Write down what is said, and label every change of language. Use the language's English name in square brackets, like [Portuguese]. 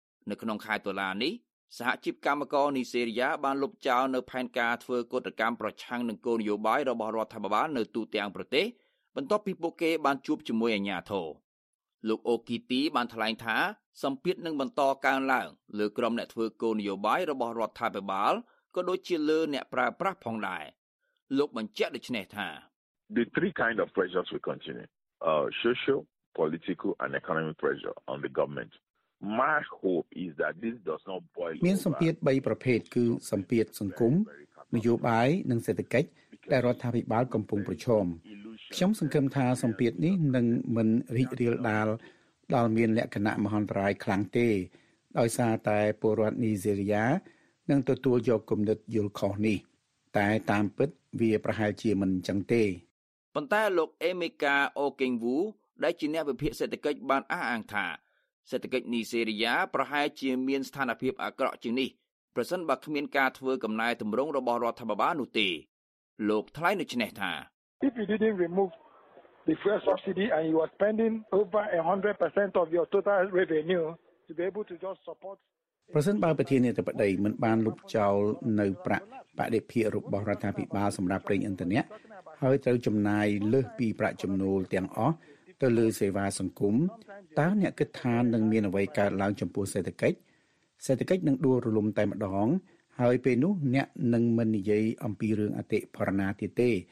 [Khmer] នៅក្នុងខែតុលានេះសហជីពកម្មករនីហ្សេរីយ៉ាបានលុបចោលនៅផែនការធ្វើកតកម្មប្រឆាំងនឹងគោលនយោបាយរបស់រដ្ឋាភិបាលនៅទូទាំងប្រទេសបន្ទាប់ពីពួកគេបានជួបជាមួយអាជ្ញាធរលោកអូគីទីបានថ្លែងថាសម្ពាធនឹងបន្តកើនឡើងលើក្រុមអ្នកធ្វើគោលនយោបាយរបស់រដ្ឋាភិបាលក៏ដូចជាលើអ្នកប្រើប្រាស់ផងដែរលោកបញ្ជាក់ដូចនេះថា [English] The three kind of pressures will continue social political and economic pressure on the governmentMy hope is that this does not boil over. [Khmer] មានសម្ពាធ3ប្រភេទគឺសម្ពាធសង្គមនយោបាយនិងសេដ្ឋកិច្ចដែលរដ្ឋាភិបាលកំពុងប្រឈមខ្ញុំសង្កេតថាសម្ពាធនេះនឹងមិនរីករាលដាលដល់មានលក្ខណៈមហន្តរាយខ្លាំងទេដោយសារតែពលរដ្ឋនីហ្សេរីយ៉ានឹងទទួលយកគំនិតយល់ខុសនេះតែតាមពិតវាប្រហែលជាមិនអញ្ចឹងទេ ប៉ុន្តែលោកអេមីកាអូគីងវូដែលជាអ្នកវិភាគសេដ្ឋកិច្ចបានអះអាងថាសេដ្ឋកិច្ចនីហ្សេរីយ៉ាប្រហែលជាមានស្ថានភាពអាក្រក់ជាងនេះប្រសិនបើគ្មានការធ្វើកំណែទម្រង់របស់រដ្ឋាភិបាលនោះទេលោកថ្លែងដូច្នេះថា [English] If you didn't remove the fuel subsidy and you are spending over 100% of your total revenue to be able to just support [Khmer] ប្រសិនបើប្រធានាធិបតីមិនបានលុបចោលនៅប្រាក់បដិភាករបស់រដ្ឋាភិបាលសម្រាប់ប្រេងឥន្ធនៈហើយត្រូវចំណាយលើសពីប្រាក់ចំណូលទាំងអស់ទៅលើសេវាសង្គមតើអ្នកគិតថានឹងមានអ្វីកើតឡើងចំពោះសេដ្ឋកិច្ចសេដ្ឋកិច្ចនឹងដួលរលំតែម្ដងហើយពេលនោះអ្នកនឹងមិននិយាយអំពីរឿងអតិផរណាទៀតទេ